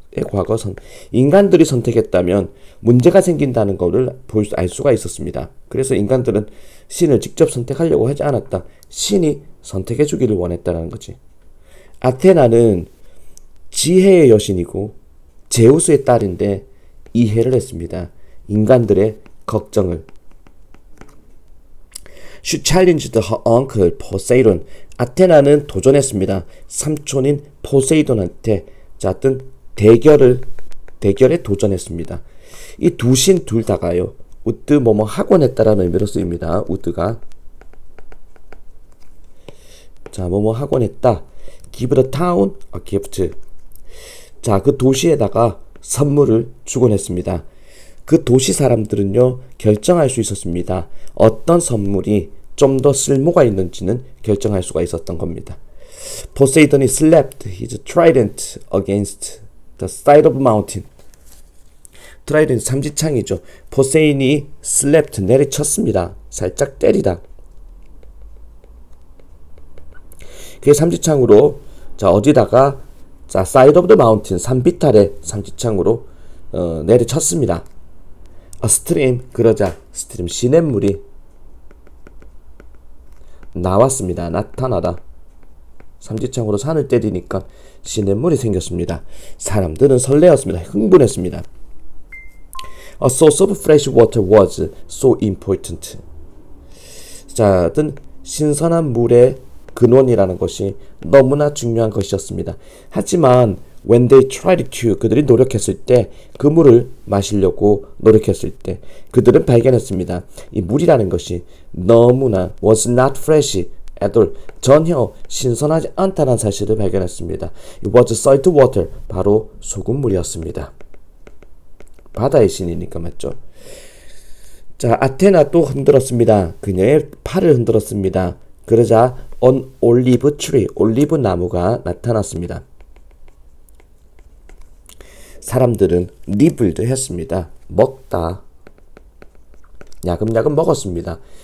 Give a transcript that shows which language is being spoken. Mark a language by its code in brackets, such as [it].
[ko] 과거선 인간들이 선택했다면 문제가 생긴다는 것을 알 수가 있었습니다. 그래서 인간들은 신을 직접 선택하려고 하지 않았다. 신이 선택해 주기를 원했다는 거지. 아테나는 지혜의 여신이고 제우스의 딸인데 이해를 했습니다. 인간들의 걱정을. [en] She challenged her uncle Poseidon. [ko] 아테나는 도전했습니다. 삼촌인 포세이돈한테 자든 대결에 도전했습니다. 이두신둘 다가요. 우드 뭐뭐 하곤 했다라는 의미로 쓰입니다. 우드가. 자, 뭐뭐 하곤 했다. [en] Give the town a gift. [ko] 자, 그 도시에다가 선물을 주곤 했습니다. 그 도시 사람들은요, 결정할 수 있었습니다. 어떤 선물이 좀더 쓸모가 있는지는 결정할 수가 있었던 겁니다. [en] Poseidon slapped his trident against The side of mountain. [ko] 트라이던 삼지창이죠. 포세인이 슬랩트 내리쳤습니다. 살짝 때리다. 그게 삼지창으로 자 어디다가 자 [en] side of the mountain [ko] 산비탈에 삼지창으로 내리쳤습니다. [en] A stream [ko] 그러자 stream 시냇물이 나왔습니다. 나타나다. 삼지창으로 산을 때리니까 시냇물이 생겼습니다. 사람들은 설레었습니다. 흥분했습니다. [en] A source of fresh water was so important. [ko] 자, 하여튼 신선한 물의 근원이라는 것이 너무나 중요한 것이었습니다. 하지만 [en] when they tried to, [ko] 그들이 노력했을 때, 그 물을 마시려고 노력했을 때, 그들은 발견했습니다. 이 물이라는 것이 너무나 [en] was not fresh. [ko] 애들 전혀 신선하지 않다는 사실을 발견했습니다. [en] It was salt water, [ko] 바로 소금물이었습니다. 바다의 신이니까 맞죠? 자, 아테나 또 흔들었습니다. 그녀의 팔을 흔들었습니다. 그러자 [en] an olive tree, [ko] 올리브 나무가 나타났습니다. 사람들은 nibbled 했습니다. 먹다. 야금야금 먹었습니다.